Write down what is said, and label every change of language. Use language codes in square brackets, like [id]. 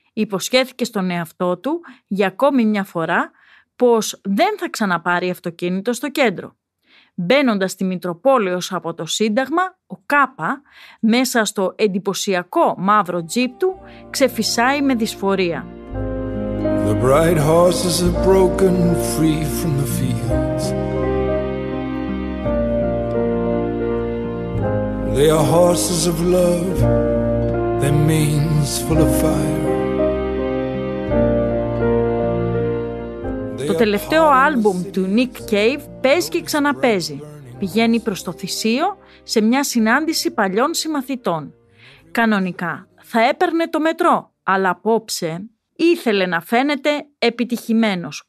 [el] Υποσχέθηκε στον εαυτό του για ακόμη μια φορά πως δεν θα ξαναπάρει αυτοκίνητο στο κέντρο. Μπαίνοντας στη Μητροπόλεως από το Σύνταγμα, ο Κάπα, μέσα στο εντυπωσιακό μαύρο τζιπ του, ξεφυσάει με δυσφορία. [en] The bright horses are broken free from the fields. They are horses of love, their manes full of fire. [el] Το τελευταίο άλμπουμ του Nick Cave παίζει και ξαναπαίζει. Πηγαίνει προς το θυσίο σε μια συνάντηση παλιών συμμαθητών. Κανονικά θα έπαιρνε το μετρό, αλλά απόψε ήθελε να φαίνεται επιτυχημένος.